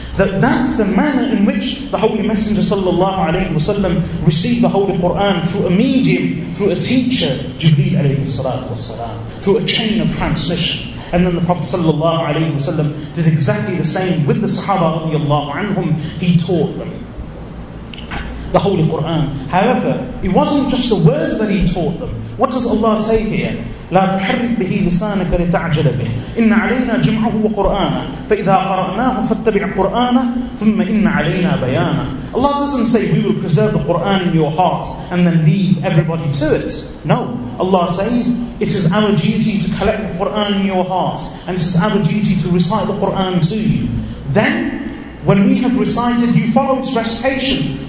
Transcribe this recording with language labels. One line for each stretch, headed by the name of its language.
English: That's the manner in which the Holy Messenger sallallahu alayhi wasalam received the Holy Quran, through a medium, through a teacher, Jibreel alayhi salatu wasalam, through a chain of transmission. And then the Prophet sallallahu alaihi wasallam did exactly the same with the Sahaba radiyallahu anhum. He taught them the Holy Quran. However, it wasn't just the words that he taught them. What does Allah say here?
Arabic: لا تحرك به لسانك لتعجل به. إن علينا جمعه وقرآنه. فإذا قرأناه فاتبع قرآنه. ثم إن علينا بيانه.
English: Allah doesn't say we will preserve the Quran in your heart and then leave everybody to it. No. Allah says it is our duty to collect the Quran in your heart, and it is our duty to recite the Quran to you. Then, when we have recited, you follow its recitation.